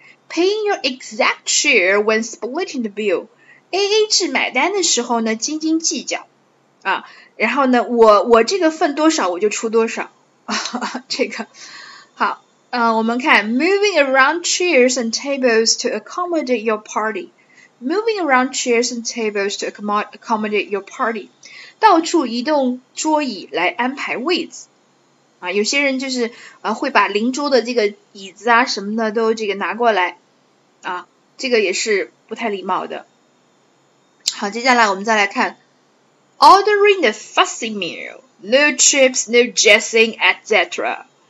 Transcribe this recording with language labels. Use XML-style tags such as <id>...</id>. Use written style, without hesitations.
<en>Paying your exact share when splitting the bill.</en> <zh>AA 制买单的时候呢，斤斤计较啊。然后呢，我这个份多少我就出多少啊。这个好，我们看</zh> <en>moving around chairs and tables to accommodate your party. Moving around chairs and tables to accommodate your party.</en> <zh>到处移动桌椅来安排位子。啊，有些人就是会把邻桌的这个椅子啊什么的都这个拿过来。啊，这个也是不太礼貌的。好，接下来我们再来看，</zh> <en>ordering the fussy meal，no chips, no dressing, etc.</en>